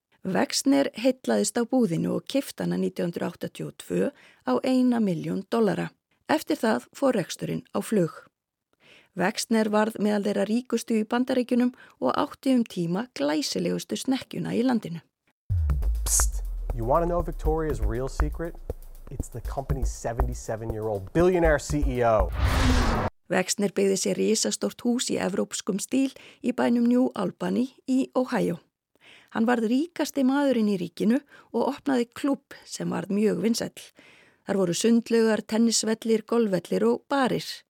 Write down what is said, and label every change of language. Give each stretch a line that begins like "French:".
Icelandic: Vexner heillaðist á búðinu og keypti hana 1982 á 1 milljón dollara. Eftir það fór reksturinn á flug. Vexner varð meðal þeirra ríkustu í Bandaríkjunum og átti tíma glæsilegustu snekkjuna í landinu.
English: Psst, you want to know Victoria's real secret? It's the company's 77-year-old billionaire CEO.
Icelandic: Vexner byggði sér risastórt hús í evrópskum stíl í bænum New Albany í Ohio. Hann varð ríkasti maðurinn í ríkinu og opnaði klúbb sem varð mjög vinsæll. Þar voru sundlaugar, tennisvellir, golfvellir og barir.